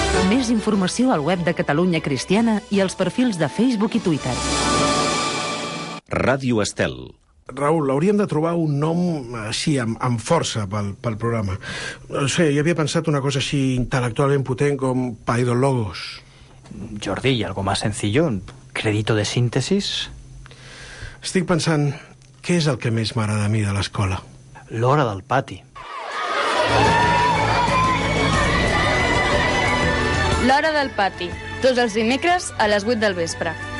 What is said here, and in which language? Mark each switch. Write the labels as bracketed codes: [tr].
[ca] Més informació al web de Catalunya Cristiana i als perfils de Facebook i Twitter. Ràdio Estel. Raül, hauríem de trobar un nom així, amb força, pel programa. No sé, jo havia pensat una cosa així intel·lectualment potent com Paidologos. [es] Jordi, algo más sencillo, Crédito de síntesis. [ca] Estic pensant, què és el que més m'agrada a mi de l'escola? L'hora del pati. L'hora del pati, tots els dimecres a les 8 del vespre.